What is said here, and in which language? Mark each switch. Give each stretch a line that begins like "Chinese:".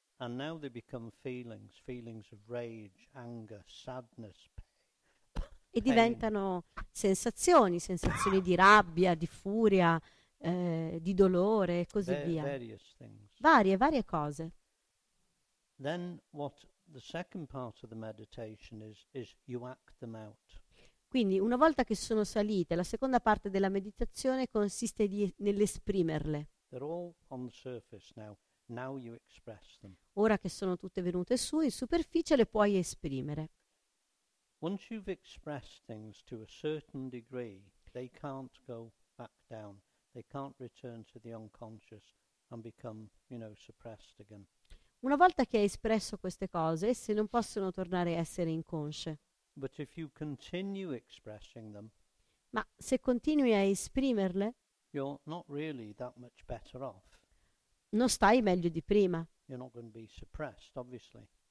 English: And now they become feelings of rage, anger, sadness.
Italian: E diventano sensazioni di rabbia, di furia. Di dolore e così via.
English: Various things.
Italian: Varie cose.
English: Then what the second part of the meditation is you act them out.
Italian: Quindi una volta che sono salite, la seconda parte della meditazione consiste nell'esprimerle.
English: They're all on the surface now. Now you express them.
Italian: Ora che sono tutte venute su, in superficie le puoi esprimere.
English: Once you've expressed things to a certain degree, they can't go back down. They can't return to the unconscious and become, you know, suppressed again.
Italian: Una volta che hai espresso queste cose, esse non possono tornare a essere inconsce.
English: But if you continue expressing them,
Italian: ma se continui a esprimerle,
English: you're not really that much better off.
Italian: Non stai meglio di prima.
English: You're not going to be suppressed, obviously.